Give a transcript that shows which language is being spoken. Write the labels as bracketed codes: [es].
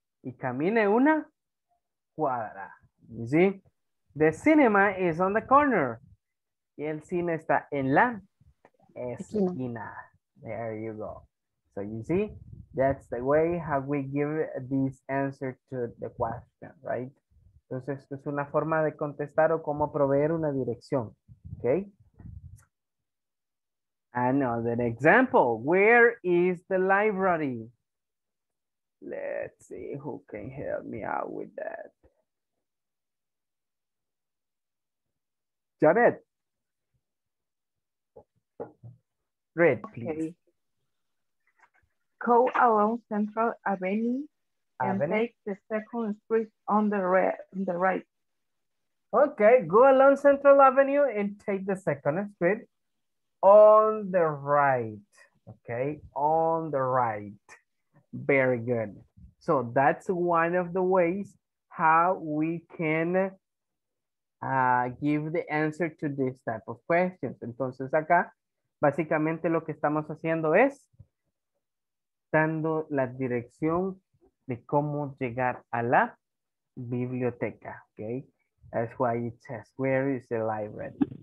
[es] Y camine una cuadra. [en] You see? The cinema is on the corner. [es] Y el cine está en la esquina. [en] There you go. So you see, that's the way how we give this answer to the question, right? [es] Entonces, esto es una forma de contestar o cómo proveer una dirección, okay? [en] Another example, where is the library? Let's see who can help me out with that. Janet. Read, please. Okay. Go along Central Avenue and take the second street on the right. Okay, go along Central Avenue and take the second street on the right. Okay, on the right. Very good. So that's one of the ways how we can give the answer to this type of questions. [es] Entonces acá, básicamente lo que estamos haciendo es dando la dirección de cómo llegar a la biblioteca, okay? [en] That's why it says, where is the library?